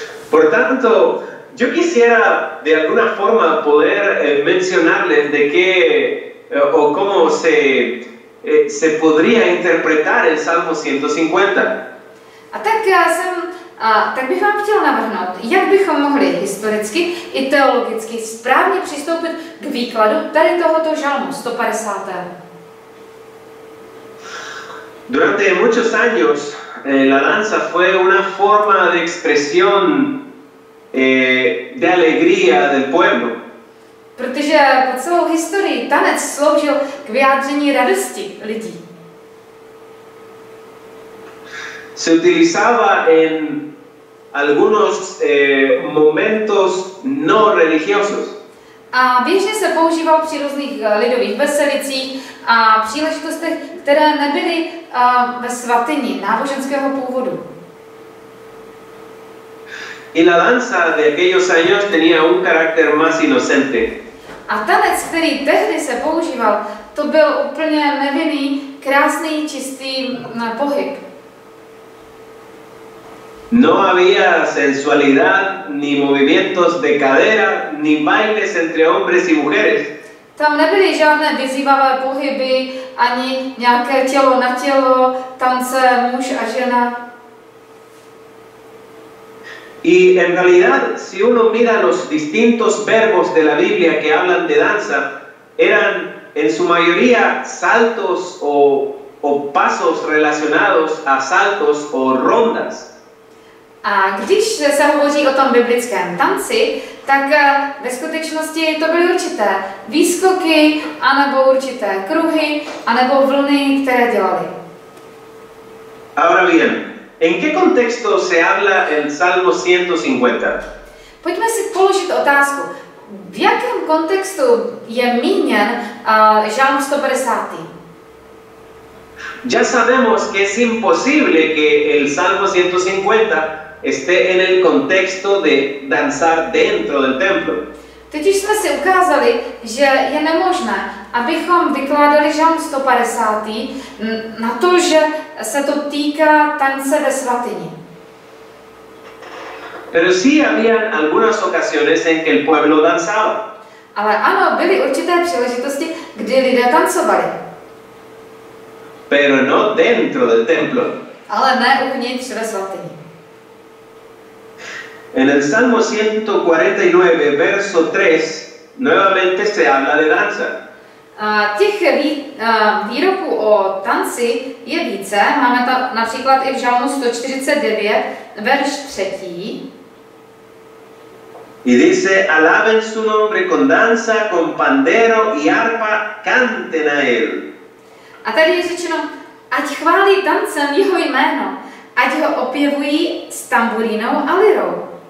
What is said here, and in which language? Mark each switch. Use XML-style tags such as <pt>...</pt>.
<es>Por tanto, yo quisiera de alguna forma poder mencionarles de qué o cómo se podría interpretar el Salmo 150.</es> <cs>A tak já jsem, a tak bych vám chtěl navrhnout, jak bychom mohli historicky i teologicky správně přistoupit k výkladu tady tohoto žalmu 150.</cs> <es>Durante muchos años, la danza fue una forma de expresión de alegría del pueblo.</es> <cs>Protože po celou historii tanec sloužil k vyjádření radosti lidí.</cs> <es>Se utilizaba en algunos momentos no religiosos.</es> <cs>A běžně se používal při různých lidových veselicích a příležitostech, které nebyly ve svatyni náboženského původu.</cs> <es>Y la danza de aquellos años tenía un carácter más inocente.</es> <cs>A tanec, který tehdy se používal, to byl úplně nevinný, krásný, čistý pohyb.</cs> <es>No había sensualidad ni movimientos de cadera ni bailes entre hombres y mujeres.</es> <cs>Tam nebyly žádné vyzývavé pohyby ani nějaké tělo na tělo, tance muž a žena.</cs> <es>Y en realidad, si uno mira los distintos verbos de la Biblia que hablan de danza, eran en su mayoría saltos o pasos relacionados a saltos o rondas.</es> <cs>A když se hovoří o tom biblickém tanci, tak ve skutečnosti to byly určité výskoky, anebo určité kruhy, anebo vlny, které dělali.</cs> <es>Ahora bien, ¿en qué contexto se habla el Salmo 150?</es> <cs>Pojďme si položit otázku. V jakém kontextu je míněn žalm 150?</cs> <es>Ya sabemos que es imposible que el Salmo 150 esté en el contexto de danzar dentro del templo.</es> <cs>Teď jsme si ukázali, že je nemožné, abychom vykládali žalm 150. na to, že se to týká tance ve svatyni.</cs> <es>Pero sí había algunas ocasiones en que el pueblo danzaba.</es> <cs>Ale ano, byly určité příležitosti, kdy lidé tancovali.</cs> <es>Pero no dentro del templo.</es> <cs>Ale ne uvnitř ve svatyni.</cs> <es>En el Salmo 149, verso 3, nuevamente se habla de danza.</es> <cs>Výroků o tanci je více, máme tam například i v Žalmu 149, verš 3.</cs> <es>Y dice, alaben su nombre con danza, con pandero y arpa, canten a él.</es> <cs>A tady je řečeno, ať chválí tancem jeho jméno, ať ho opěvují s tamburínou a lirou.</cs>